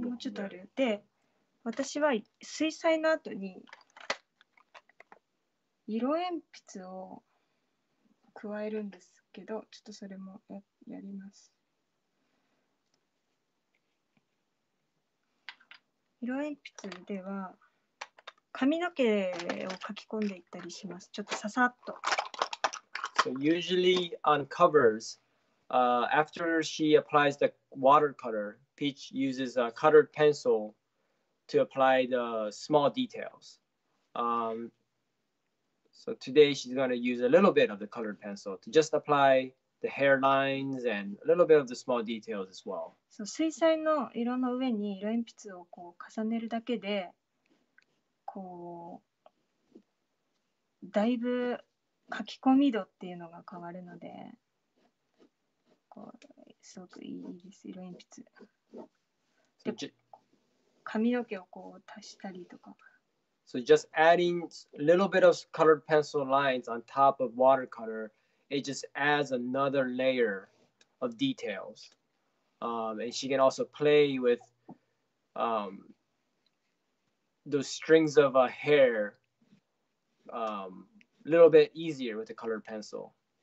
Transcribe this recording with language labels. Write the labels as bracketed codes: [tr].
[ja] 分もうちょっとあるで私は水彩の後に色鉛筆を加えるんですけどちょっとそれも やります色鉛筆では髪の毛を描き込んでいったりしますちょっとささっと [en] So usually on coversAfter she applies the watercolor, Peach uses a colored pencil to apply the small details. So today she's going to use a little bit of the colored pencil to just apply the hair lines and a little bit of the small details as well. [ja] So 水彩の色の上に色鉛筆をこう重ねるだけで、こうだいぶ描き込み度っていうのが変わるので。すごくいいです色鉛筆で髪の毛をこう足したりとか [en] So just adding a little bit of colored pencil lines on top of watercolor it just adds another layer of details and she can also play with those strings of a hair a little bit easier with the colored pencil